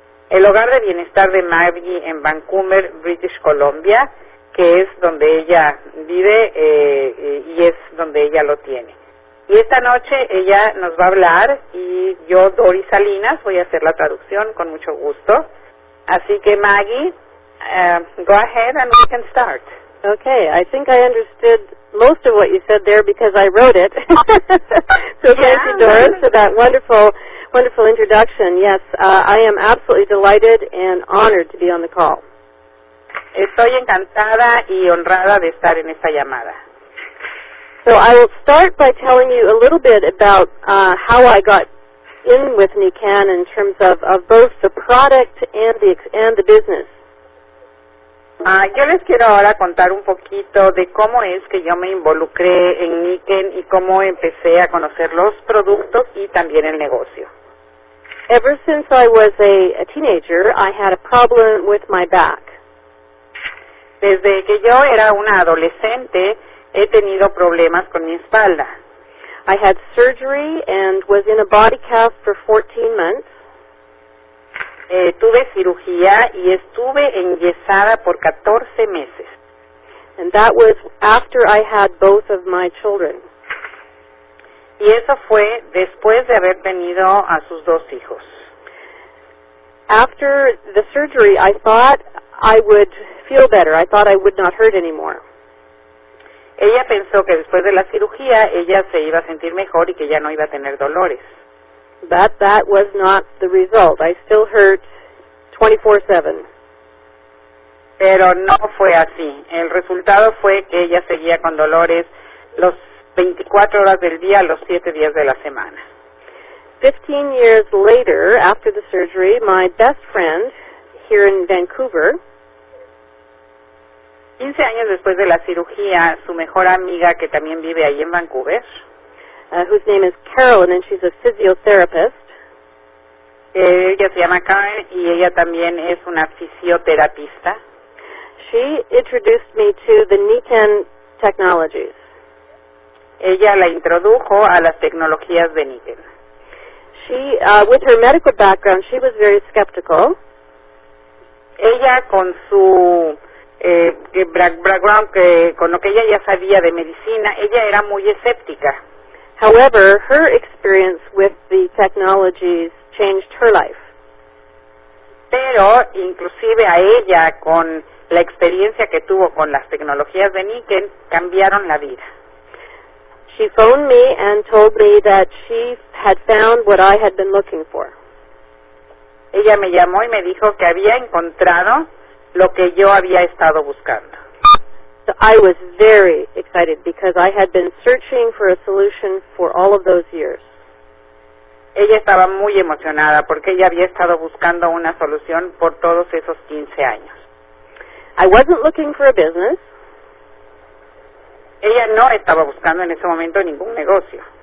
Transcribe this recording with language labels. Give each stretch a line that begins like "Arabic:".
Spanish: El hogar de bienestar de Maggie en Vancouver, British Columbia, que es donde ella vive y es donde ella lo tiene. Y esta noche ella nos va a hablar y yo, Doris Salinas, voy a hacer la traducción con mucho gusto. Así que
English: Maggie, go ahead and we can start. Okay, I think I understood most of what you said there because I wrote it. So yeah, thank you, Doris, for that wonderful, wonderful introduction. Yes, I am absolutely delighted and honored to be on the call.
Spanish: Estoy encantada y honrada de estar en esta llamada.
English: So I will start by telling you a little bit about how I got in with Niken in terms of both the product and the business.
Spanish: Yo les quiero ahora contar un poquito de cómo es que yo me involucré en Niken y cómo empecé a conocer los productos y también el negocio.
English: Ever since I was a teenager, I had a problem with my back.
Spanish: Desde que yo era una adolescente, he tenido problemas con mi espalda.
English: I had surgery and was in a body cast for 14 months.
Spanish: Tuve cirugía y estuve enyesada por 14 meses.
English: And that was after I had both of my children.
Spanish: Y eso fue después de haber tenido a sus dos hijos.
English: After the surgery, I thought I would feel better. I thought I would not hurt anymore.
Spanish: Ella pensó que después de la cirugía, ella se iba a sentir mejor y que ya no iba a tener dolores.
English: But that was not the result. I still hurt 24/7.
Spanish: Pero no fue así. El resultado fue que ella seguía con dolores los 24 horas del día, los 7 días de la semana.
English: 15 years later, after the surgery, my best friend here in Vancouver.
Spanish: 15 años después de la cirugía, su mejor amiga que también vive ahí en Vancouver.
English: Whose name is Carolyn, and she's a physiotherapist.
Spanish: Ella se llama Karen, y ella también es una fisioterapista.
English: She introduced me to the Niken technologies.
Spanish: Ella la introdujo a las tecnologías de Niken.
English: She, with her medical background, she was very skeptical.
Spanish: Ella con su background, que, con lo que ella ya sabía de medicina, ella era muy escéptica.
English: However, her experience with the technologies changed her life.
Spanish: Pero, inclusive a ella, con la experiencia que tuvo con las tecnologías de Niken, cambiaron la vida.
English: She phoned me and told me that she had found what I had been looking for.
Spanish: Ella me llamó y me dijo que había encontrado lo que yo había estado buscando.
English: So I was very excited because I had been searching for a solution for all of those years.
Spanish: Ella estaba muy emocionada porque ella había estado buscando una solución por todos esos 15 años.
English: I wasn't looking for a business.
Spanish: Ella no estaba buscando en ese momento ningún negocio.